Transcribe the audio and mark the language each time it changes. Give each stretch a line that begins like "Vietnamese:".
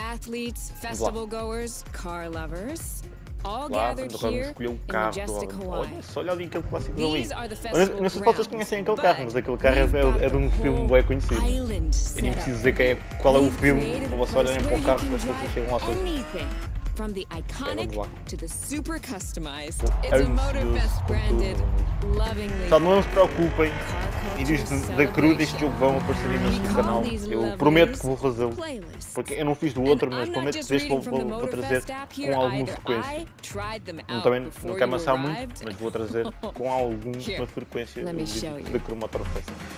English: Athletes, festival goers, car lovers.
Portuguese: Lá, quando vamos escolher um carro, olha ali aquele clássico ali. Não sei se vocês conhecem aquele carro, mas aquele carro é de um filme bem conhecido. Eu nem preciso dizer qual é o filme, para vocês olharem para o carro, para as pessoas chegam lá todos.
English: From the iconic to the super customized, it's a Motorfest branded lovingly.
Portuguese: Só não se preocupem, vídeos da Crew deste jogo vão aparecer imenso no canal. Eu prometo que vou fazê-lo. Porque eu não fiz do outro, mas prometo que deste vou trazer com alguma frequência. Eu também não quero amassar muito, mas vou trazer com alguma frequência o vídeo da Crew Motorfest.